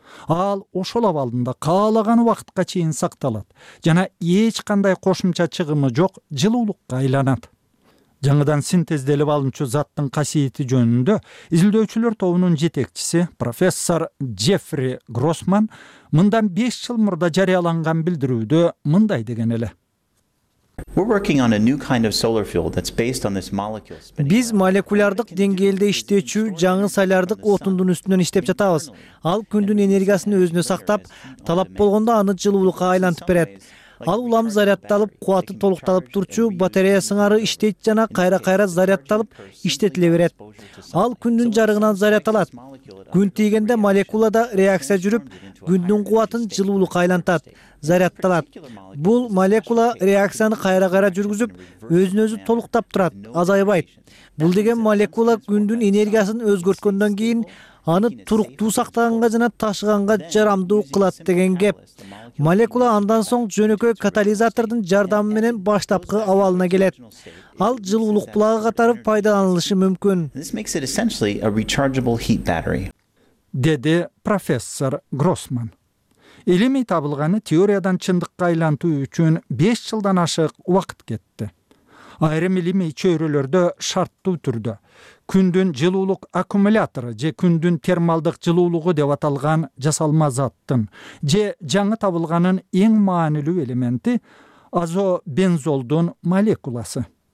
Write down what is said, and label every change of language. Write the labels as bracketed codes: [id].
[ky] Ал ошол абалында каалаган убакытка чейин сакталат жана эч кандай кошумча чыгымы жок жылуулукка айланат. Жаңыдан синтезделип алынчу заттын касиети жөнүндө изилдөөчүлөр тобунун жетекчиси профессор Джеффри Гроссман мындан 5 жыл мурда жарыяланган билдирүүдө мындай деген эле. [en] We're working on a new kind of solar fuel that's based on this molecule spinning. [ky] Биз молекулярдык деңгээлде иштечү жаңы солярдык отундун үстүнөн иштеп жатабыз. Ал күндүн энергиясын өзүнө сактап, талап болгондо аны жылуулукка айлантып берет. Ал улам зарядталып, кубаты толукталып турчу батарея сыңары иштейт жана кайра-кайра зарядталып иштетиле берет. Ал күндүн жарыгынан зарядталат. Күн тийгенде молекулада реакция жүрүп, күндүн кубатын жылуулукка айлантат, зарядталат. Бул молекула реакцияны кайра-кайра жүргүзүп, өзүн өзү толуктап турат, азайбайт. Бул деген молекула күндүн энергиясын өзгөрткөндөн кийин аны туруктуу сактаганга жана ташыганга жарамдуу кылат деген кеп. Молекула андан соң жөнөкөй катализатордун жардамы менен баштапкы абалына келет. Ал жылуулук булагы катары пайдаланылышы мүмкүн. [en] This makes it essentially a rechargeable heat battery. [ky] Деди профессор Гроссман. Илимий табылганы теориядан чындыкка айлантуу үчүн 5 жылдан ашык убакыт кетти. Айрым илимий чөйрөлөрдө шарттуу түрдө күндүн жылуулук аккумулятору же күндүн термалдык жылуулугу деп аталган жасалма заттын же жаңы табылганын эң маанилүү элементи азобензолдун молекуласы.